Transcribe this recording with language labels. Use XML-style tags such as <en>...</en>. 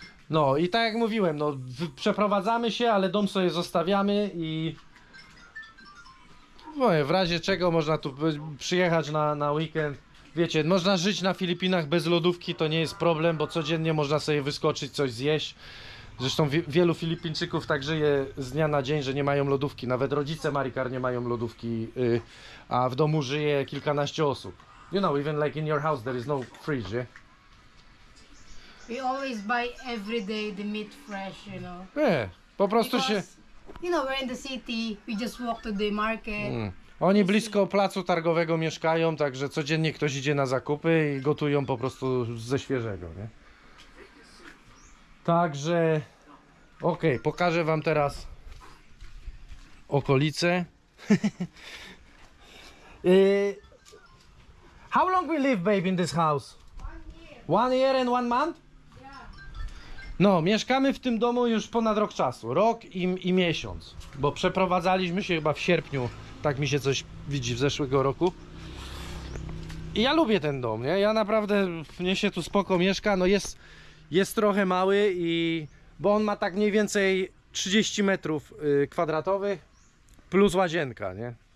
<pl>No i tak jak mówiłem, no przeprowadzamy się, ale dom sobie zostawiamy i no, w razie czego można tu przyjechać na weekend. Wiecie, można żyć na Filipinach bez lodówki, to nie jest problem, bo codziennie można sobie wyskoczyć, coś zjeść. Zresztą wielu Filipińczyków tak żyje z dnia na dzień, że nie mają lodówki. Nawet rodzice Marikar nie mają lodówki, a w domu żyje kilkanaście osób.</pl> <en>You know, even like in your house there is no fridge, yeah? We always buy every day the meat fresh, you know.</en> <pl>Yeah, po prostu</pl> <en>because,</en> <pl>się...</pl> <en>You know, we're in the city, we just walk to the market. Mm.</en> <pl>Oni blisko placu targowego mieszkają, także codziennie ktoś idzie na zakupy i gotują po prostu ze świeżego, nie? Także... Okej, pokażę wam teraz okolice.</pl> <en>How long we live, babe, in this house? 1 year. 1 year and 1 month?</en> <pl>No, mieszkamy w tym domu już ponad rok czasu. Rok i miesiąc. Bo przeprowadzaliśmy się chyba w sierpniu. Tak mi się coś widzi w zeszłego roku. I ja lubię ten dom, nie? Ja naprawdę, mnie się tu spoko mieszka. No jest trochę mały i... Bo on ma tak mniej więcej 30 metrów kwadratowych plus łazienka, nie?</pl>